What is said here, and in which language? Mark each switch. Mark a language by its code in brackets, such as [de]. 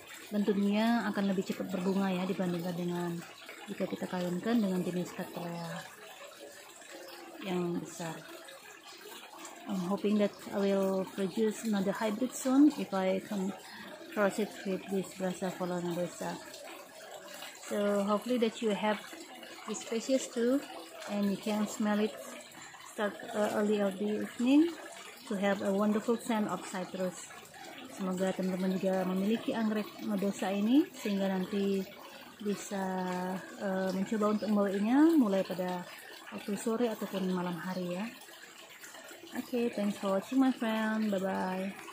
[id] Bentuknya akan lebih cepat berbunga ya dibandingkan dengan jika kita kawinkan dengan jenis cattleya yang besar. [en] I'm hoping that I will produce another hybrid soon if I can cross it with this Brassavola nodosa. So hopefully that you have this species too, and you can smell it start early of the evening to have a wonderful scent of citrus. [id] Semoga teman-teman juga memiliki anggrek nodosa ini, sehingga nanti bisa mencoba untuk membawainya mulai pada waktu sore ataupun malam hari ya. [en] Okay, thanks for watching my friend. Bye-bye.